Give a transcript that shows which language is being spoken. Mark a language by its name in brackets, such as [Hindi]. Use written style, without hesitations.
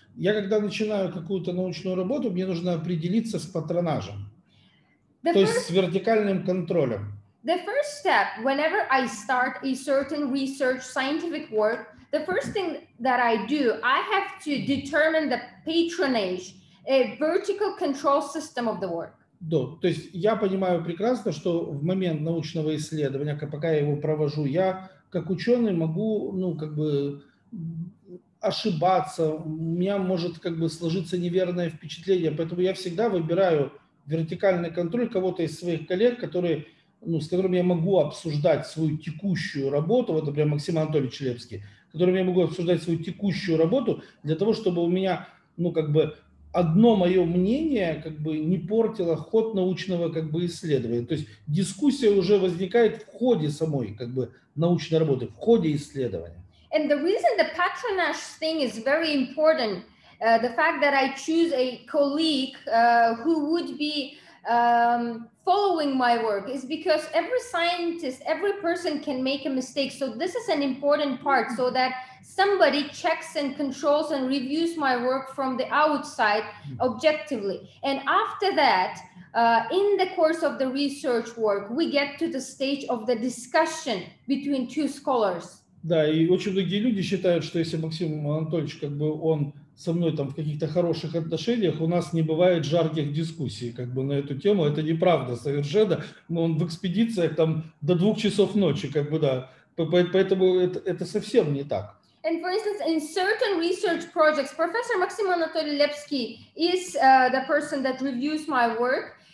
[Russian] Я когда начинаю какую-то научную работу, мне нужно определиться с патронажем, то есть с вертикальным контролем. [English] The first step, whenever I start a certain research scientific work, the first thing that I do, I have to determine the patronage, a vertical control system of the work. [Russian] Да, то есть я понимаю прекрасно, что в момент научного исследования, пока я его провожу, я как ученый могу, ну, как бы ошибаться, у меня может как бы сложиться неверное впечатление, поэтому я всегда выбираю вертикальный контроль кого-то из своих коллег, которые ну, с которым я могу обсуждать свою текущую работу, вот, например, Максим Анатольевич Лепский, с которым я могу обсуждать свою текущую работу для того, чтобы у меня, ну, как бы, одно мое мнение, как бы, не портило ход научного, как бы, исследования. То есть дискуссия уже возникает в ходе самой, как бы, научной работы, в ходе исследования. [English] And the reason the patronage thing is very important, the fact that I choose a colleague who would be following my work is because every scientist, every person can make a mistake. So this is an important part so that somebody checks and controls and reviews my work from the outside objectively. And after that, in the course of the research work, we get to the stage of the discussion between two scholars. [Russian] Да, и очень многие люди считают, что если Максим Анатольевич, как бы он со мной там в каких-то хороших отношениях, у нас не бывает жарких дискуссий, как бы на эту тему. Это неправда совершенно. Мы он в экспедициях там до двух часов ночи, как бы да. Поэтому это совсем не так. [English] And for instance, in certain research projects, Professor Maxim Anatoly Lepsky is the person that reviews my work.